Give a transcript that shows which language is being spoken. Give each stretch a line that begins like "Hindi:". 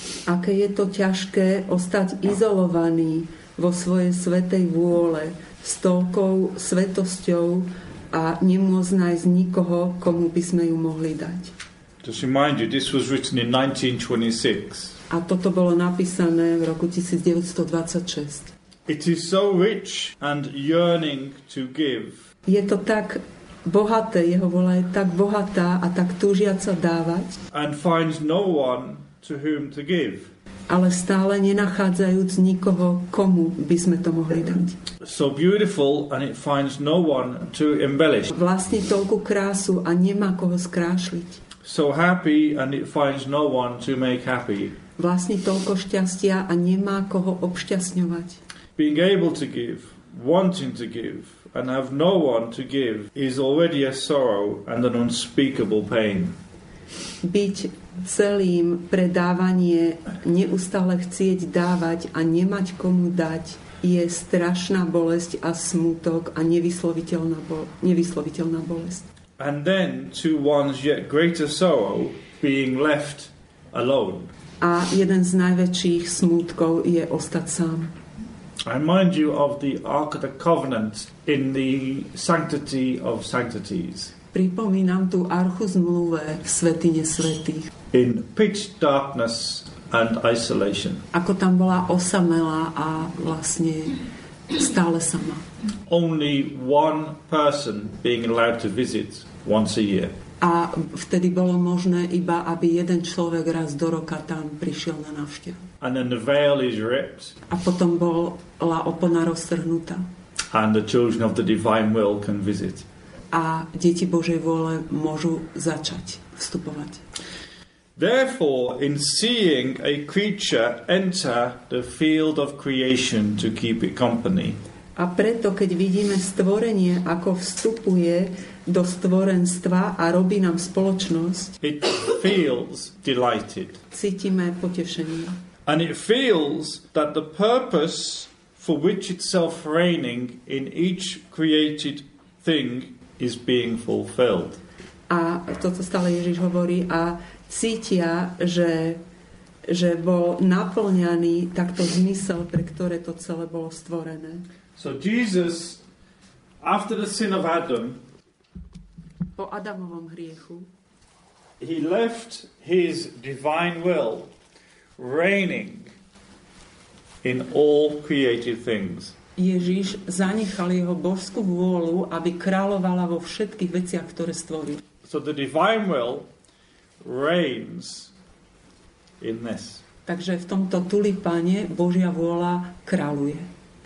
Slovak: Aké je to ťažké ostať izolovaný vo svojej svätej vôle s toľkou svetosťou a nemôcť nájsť nikoho, komu by sme ju mohli dať.
English: Just remind you, this was written in 1926.
Slovak: A toto bolo napísané v roku 1926.
English: It is so rich and yearning to give.
Slovak: Je to tak bohaté, jeho vola je tak bohatá a tak túžiaca dávať.
English: And finds no one to whom to give.
Slovak: Ale stále nenachádzajúc nikoho, komu by sme to mohli dať.
English: So beautiful and it finds no one to embellish.
Slovak: Vlastní toľku krásu a nemá koho skrášliť.
English: So happy and it finds no one to make happy.
Slovak: Vlastní toľko šťastia a nemá koho obšťastňovať.
English: Being able to give, wanting to give, and have no one to give is already a sorrow and an unspeakable pain.
Slovak: Byť celým pre dávanie, neustále chcieť dávať a nemať komu dať, je strašná bolesť a smutok a nevysloviteľná bolesť.
English: And then to one's yet greater sorrow, being left alone.
Slovak: A jeden z najväčších smutkov je ostať sám.
English: I remind you of the Ark of the Covenant in the Sanctity of Sanctities.
Slovak: Pripomínam tú archu zmluve v svätyni svätých.
English: In pitch darkness and isolation.
Slovak: Ako tam bola osamelá a vlastne stále sama.
English: Only one person being allowed to visit once a year.
Slovak: A vtedy bolo možné iba, aby jeden človek raz do roka tam prišiel na návštevu.
English: And then the veil is ripped.
Slovak: A potom bola opona roztrhnutá.
English: And the children of the divine will can visit.
Slovak: A deti Božej vôle môžu začať vstupovať.
English: Therefore, in seeing a creature enter the field of creation to keep it company.
Slovak: A preto, keď vidíme stvorenie, ako vstupuje do stvorenstva a robí nám spoločnosť,
English: it feels delighted.
Slovak: Cítime potešenie.
English: And it feels that the purpose for which itself reigning in each created thing is being fulfilled.
Slovak: A to, co stále Ježiš hovorí, a cítia, že bol naplňaný takto zmysel, pre ktoré to celé bolo stvorené.
English: So Jesus, after the sin of Adam,
Slovak: po Adamovom hriechu,
English: he left his divine will reigning in all created things.
Slovak: Ježiš zanechal jeho božskú vôľu, aby kráľovala vo všetkých veciach, ktoré stvoril.
English: So the divine will reigns in this.
Slovak: Takže v tomto tulipáne Božia vôľa kráľuje.